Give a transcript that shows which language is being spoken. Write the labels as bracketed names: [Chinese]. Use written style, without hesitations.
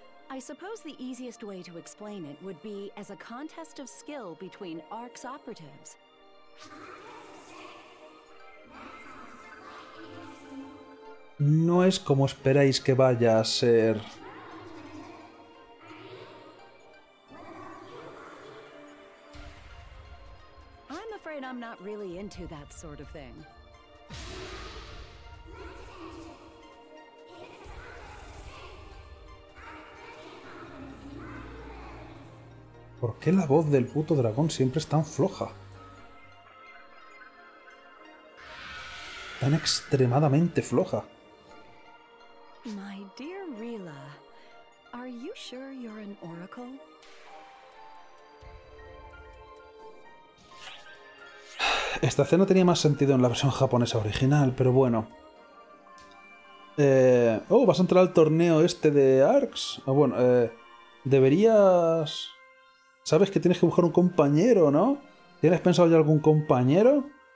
[English] I suppose the easiest way to explain it would be as a contest of skill between Arx operatives. [Spanish] No es como esperáis que vaya a ser. [English] I'm afraid I'm not really into that sort of thing. Thank you. [Spanish] ¿Por qué la voz del puto dragón siempre es tan floja? Tan extremadamente floja. [English] My dear Rila, are you sure you're an oracle? [Spanish] Esta escena tenía más sentido en la versión japonesa original, pero bueno. Oh, ¿vas a entrar al torneo este de Arcs? Oh, bueno, deberías... ¿Sabes que tienes que buscar un compañero, no? ¿Tienes pensado ya algún compañero?